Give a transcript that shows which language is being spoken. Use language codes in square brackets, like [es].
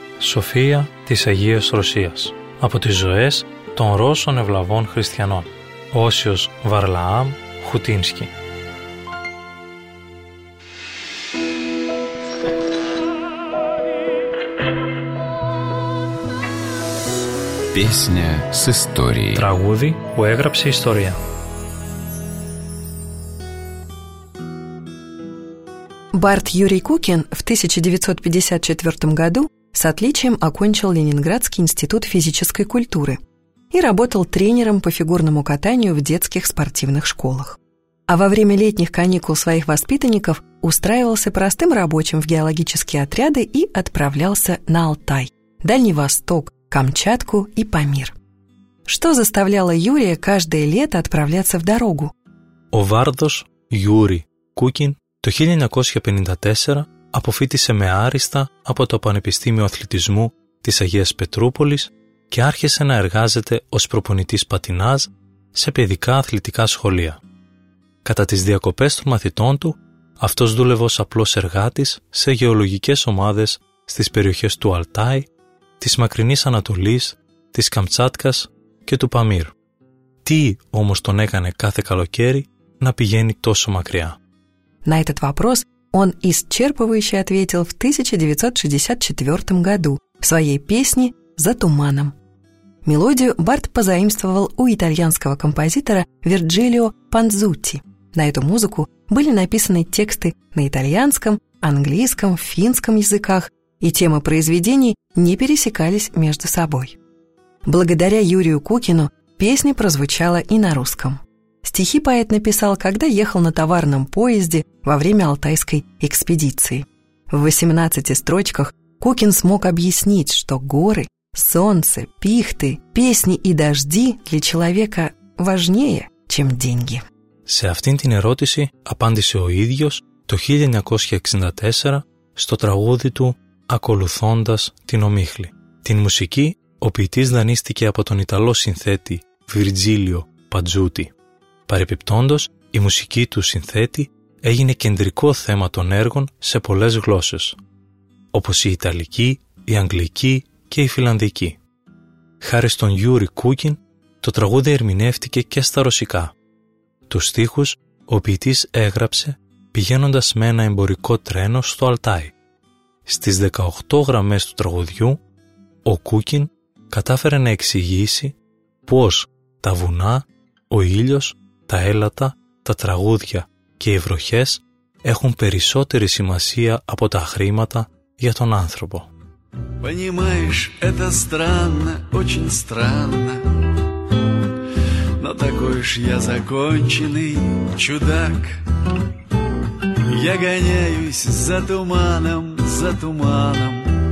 [el] София της Αγίας Ρωσίας. Από τις ζωές των Ρώσων ευλαβών χριστιανών. Όσιος Βαρλαάμ Χουτίνσκι. [ru] Песня с историей. [el] Τραγούδι που έγραψε ιστορία. [ru] Бард Юрий Кукин в 1954 году с отличием окончил Ленинградский институт физической культуры и работал тренером по фигурному катанию в детских спортивных школах. А во время летних каникул своих воспитанников устраивался простым рабочим в геологические отряды и отправлялся на Алтай, Дальний Восток, Камчатку и Памир. Что заставляло Юрия каждое лето отправляться в дорогу? [el] Ο Βάρδος Юрий Кукин το 1954 αποφύτησε με άριστα από το Πανεπιστήμιο Αθλητισμού της Αγίας Πετρούπολης και άρχισε να εργάζεται ως προπονητής πατινάζ σε παιδικά αθλητικά σχολεία. Κατά τις διακοπές των μαθητών του, αυτός δούλευε ως απλός εργάτης σε γεωλογικές ομάδες στις περιοχές του Αλτάι, της Μακρινής Ανατολής, της Καμτσάτκας και του Παμίρ. Τι όμως τον έκανε κάθε καλοκαίρι να πηγαίνει τόσο μακριά? [ru] На этот вопрос он исчерпывающе ответил в 1964 году в своей песне «За туманом». Мелодию Барт позаимствовал у итальянского композитора Вирджилио Панзутти. На эту музыку были написаны тексты на итальянском, английском, финском языках, и темы произведений не пересекались между собой. Благодаря Юрию Кукину песня прозвучала и на русском. Стихи поэт написал, когда ехал на товарном поезде во время алтайской экспедиции. В 18 строчках Кукин смог объяснить, что горы, солнце, пихты, песни и дожди для человека важнее, чем деньги. [el] Σε αυτήν την ερώτηση απάντησε ο ίδιος το 1964 στο τραγούδι του «Ακολουθώντας την ομίχλη». Την μουσική ο ποιητής δανείστηκε από τον Ιταλό συνθέτη Βιρτζίλιο Παντζούτι. Παρεπιπτόντως, η μουσική του συνθέτη έγινε κεντρικό θέμα των έργων σε πολλές γλώσσες, όπως η Ιταλική, η Αγγλική και η Φιλανδική. Χάρη στον Γιούρι Κούκιν, το τραγούδι ερμηνεύτηκε και στα ρωσικά. Τους στίχους ο ποιητής έγραψε πηγαίνοντας με ένα εμπορικό τρένο στο Αλτάι. Στις 18 γραμμές του τραγουδιού, ο Κούκιν κατάφερε να εξηγήσει πώς τα βουνά, ο ήλιος, τα έλατα, τα τραγούδια και οι βροχές έχουν περισσότερη σημασία από τα χρήματα για τον άνθρωπο. [ru] Понимаешь, это странно, очень странно. Но такой уж я законченный чудак. Я гоняюсь за туманом, за туманом.